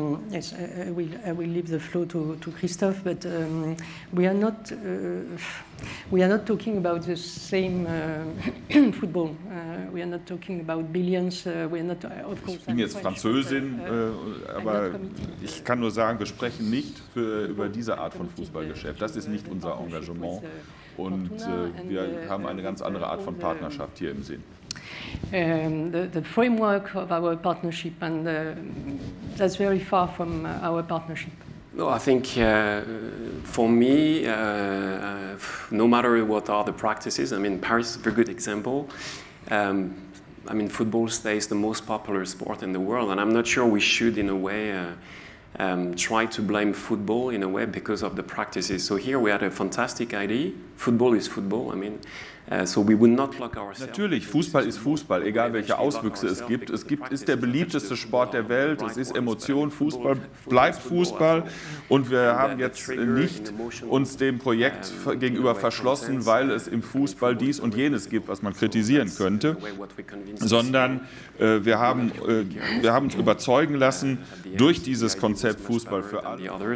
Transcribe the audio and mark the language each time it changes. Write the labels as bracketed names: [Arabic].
[English] Yes, I will leave the floor to Christoph, but we are not talking about the same football. We are not talking about billions. We are not, of course. [German] Ich bin jetzt Französin, aber ich kann nur sagen, wir sprechen nicht über diese Art von Fußballgeschäft. Das ist nicht unser Engagement. Und wir haben eine ganz andere Art von Partnerschaft hier im Sinn. [English] The framework of our partnership, and that's very far from our partnership. No, I think for me, no matter what are the practices, I mean, Paris is a very good example. I mean, football stays the most popular sport in the world, and I'm not sure we should, in a way, try to blame football in a way because of the practices. So here we had a fantastic idea. Football is football. I mean, so we would not lock ourselves. [German] Natürlich, Fußball ist Fußball, egal welche Auswüchse es gibt. Es gibt, ist der beliebteste Sport der Welt. Es ist Emotion. Fußball bleibt Fußball. Und wir haben jetzt nicht uns dem Projekt gegenüber verschlossen, weil es im Fußball dies und jenes gibt, was man kritisieren könnte, sondern wir haben uns überzeugen lassen durch dieses Konzept Fußball für alle.